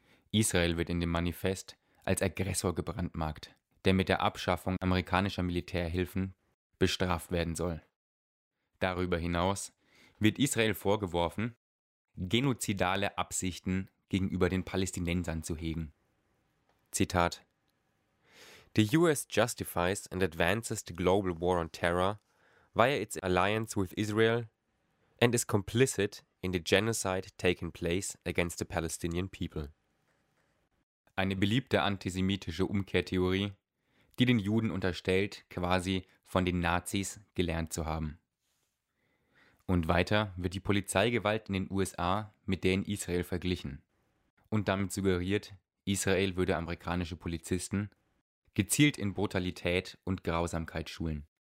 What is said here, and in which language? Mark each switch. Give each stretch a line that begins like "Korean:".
German: Israel wird in dem Manifest als Aggressor gebrandmarkt, der mit der Abschaffung amerikanischer Militärhilfen bestraft werden soll. Darüber hinaus wird Israel vorgeworfen, genozidale Absichten gegenüber den Palästinensern zu hegen. Zitat:
English: The US justifies and advances the global war on terror via its alliance with Israel and is complicit in the genocide taking place against the Palestinian people.
German: Eine beliebte antisemitische Umkehrtheorie, die den Juden unterstellt, quasi von den Nazis gelernt zu haben. Und weiter wird die Polizeigewalt in den USA mit der in Israel verglichen und damit suggeriert, Israel würde amerikanische Polizisten gezielt in Brutalität und Grausamkeit schulen.